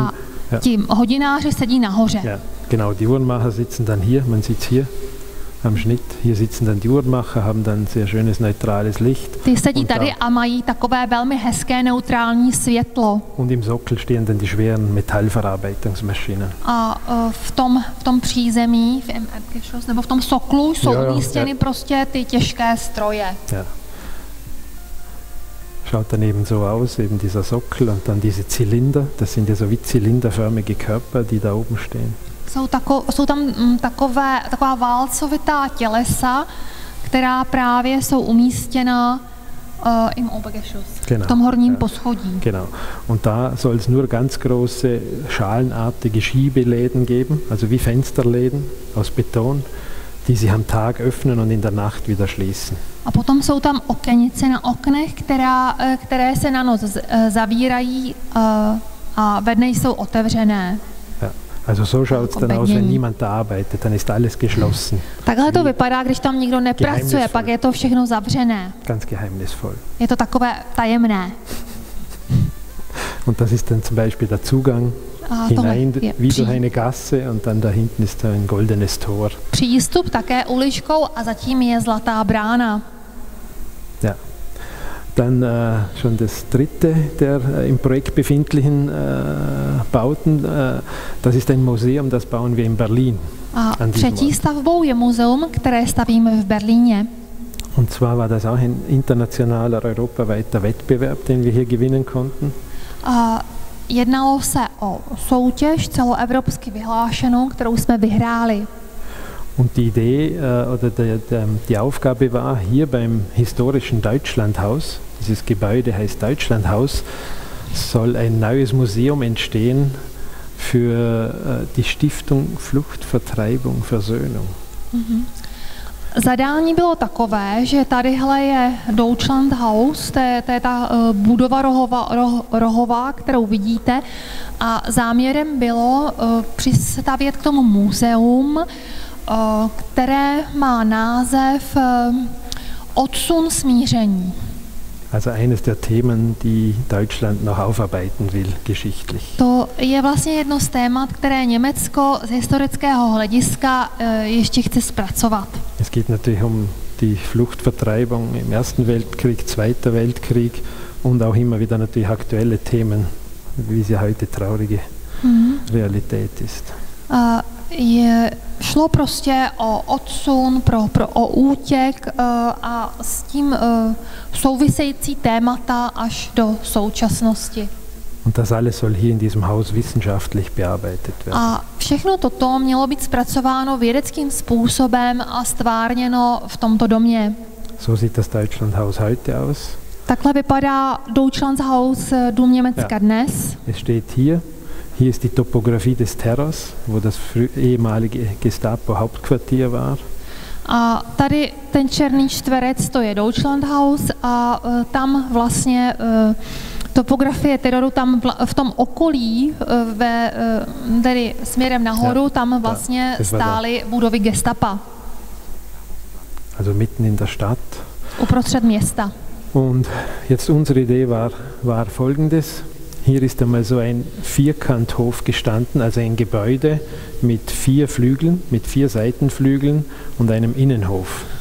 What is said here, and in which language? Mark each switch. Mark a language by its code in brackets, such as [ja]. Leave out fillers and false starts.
[cs] a ti hodináři sedí nahoře. [de] Ja, genau, die Uhrenmacher sitzen dann hier, man sieht hier am Schnitt. Hier sitzen dann die Uhrenmacher, haben dann sehr schönes neutrales Licht. [cs] Ty sedí tady a mají takové velmi hezké neutrální světlo. [de] Und im Sockel stehen dann die schweren Metallverarbeitungsmaschinen. [cs] A v tom přízemí, nebo v tom soklu jsou umístěny prostě ty těžké stroje. [de] Ja. Schaut dann eben so aus, eben dieser Sockel und dann diese Zylinder, das sind ja so wie zylinderförmige Körper, die da oben stehen. [cs] Jsou tam taková válcovitá tělesa, která právě jsou umístěna [de] im Obergeschoss, genau, [cs] v tom horním poschodí. [de] Genau. Und da soll es nur ganz große schalenartige Schiebeläden geben, also wie Fensterläden aus Beton, die sie am Tag öffnen und in der Nacht wieder schließen. [cs] A potom jsou tam okenice na oknech, které se na noc zavírají a ve dne jsou otevřené. [de] Ja, also so schaut's dann aus, wenn niemand da arbeitet, dann ist alles geschlossen. [cs] Takhle to vypadá, když tam nikdo nepracuje, pak je to všechno zavřené. [de] Ganz geheimnisvoll. [cs] Je to takové tajemné. [de] Und das ist dann zum Beispiel der Zugang hinein, wie durch eine Gasse und dann da hinten ist ein goldenes Tor. [cs] Přístup také uličkou a zatím je zlatá brána. [de] Ja, dann schon das dritte der im Projekt befindlichen Bauten, das ist ein Museum, das bauen wir in Berlin. [cs] A třetí stavbou je muzeum, které stavíme v Berlíně. [de] Und zwar war das auch ein internationaler, europaweiter Wettbewerb, den wir hier gewinnen konnten. [cs] Jednalo se o soutěž celoevropsky vyhlášenou, kterou jsme vyhráli. [de] Und die Idee oder die Aufgabe war hier beim historischen Deutschlandhaus, dieses Gebäude heißt Deutschlandhaus, soll ein neues Museum entstehen für die Stiftung Flucht, Vertreibung, Versöhnung. [cs] Zadání bylo takové, že tadyhle je Deutschland House, to je ta budova rohová, kterou vidíte, a záměrem bylo přistavět k tomu muzeum, které má název Odsun smíření. [de] Also eines der Themen, die Deutschland noch aufarbeiten will, geschichtlich. [cs] To je vlastně jedno z témat, které Německo z historického hlediska ještě chce zpracovat. [de] Es geht natürlich um die Fluchtvertreibung im Ersten Weltkrieg, Zweiter Weltkrieg und auch immer wieder natürlich aktuelle Themen, wie sie heute traurige Realität ist. [cs] Je šlo prostě o odsun, o útěk a s tím související témata až do současnosti. [de] Und das alles soll hier in diesem Haus wissenschaftlich bearbeitet werden. [cs] A všechno toto mělo být zpracováno vědeckým způsobem a stvárněno v tomto domě. [de] So sieht das Deutschlandhaus heute aus. [cs] Takhle vypadá Deutschlandhaus, dům Německa dnes. [de] Es steht hier. Hier ist die Topographie des Terrors, wo das ehemalige Gestapo Hauptquartier war. [cs] A tady ten černý čtverec, to je Deutschlandhaus a tam vlastně topografie teroru tam v tom okolí tedy směrem nahoru, tam vlastně stály budovy Gestapa. [de] Also mitten in der Stadt. [cs] Uprostřed města. [de] Und jetzt unsere Idee war folgendes. Hier ist einmal so ein Vierkanthof gestanden, also ein Gebäude mit vier Flügeln, mit vier Seitenflügeln und einem Innenhof.